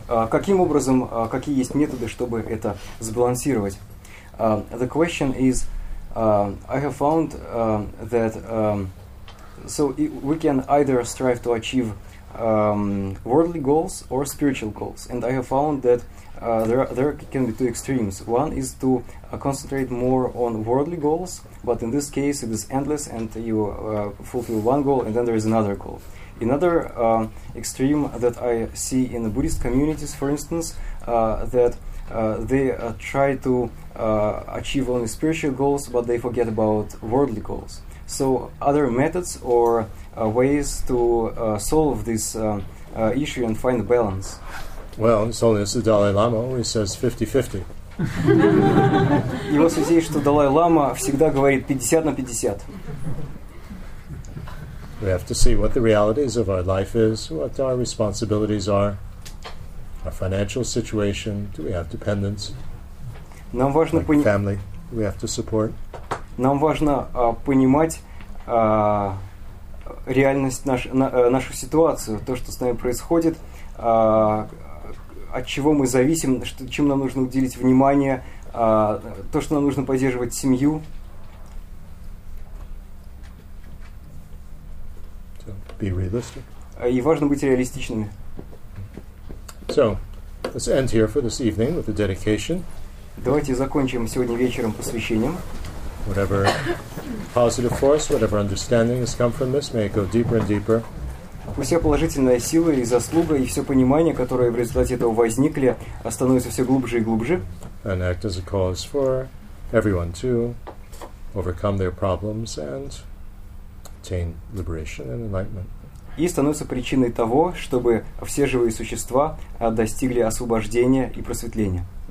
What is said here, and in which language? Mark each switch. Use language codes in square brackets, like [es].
[ru] Каким образом, какие есть методы, чтобы это сбалансировать? [en] The question is, I have found that we can either strive to achieve worldly goals or spiritual goals, and I have found that there can be two extremes. One is to concentrate more on worldly goals, but in this case it is endless, and you fulfill one goal and then there is another goal. Another extreme that I see in the Buddhist communities, for instance, that they try to achieve only spiritual goals, but they forget about worldly goals. So other methods or ways to solve this issue and find a balance? Well, it's only the Dalai Lama always says 50-50. [ru] Его святейшество, что Далай Лама всегда говорит 50 на 50. [en] We have to see what the realities of our life is, what our responsibilities are, our financial situation, do we have dependents, family we have to support. [ru] Нам важно понимать реальность, нашу ситуацию, то, что с нами происходит, от чего мы зависим, чем нам нужно уделить внимание, то, что нам нужно поддерживать семью. [en] Be realistic. [ru] И важно быть реалистичными. [en] So, let's end here for this evening with a dedication. [ru] Давайте закончим сегодня вечером посвящением. [en] Whatever positive force, whatever understanding has come from this, may it go deeper and deeper. [ru] Пусть вся положительная сила и заслуга и все понимание, которое в результате этого возникли, становится все глубже и глубже. [en] And act as a cause for everyone to overcome their problems and attain liberation and enlightenment. [ru] И становится причиной того, чтобы все живые существа достигли освобождения и просветления.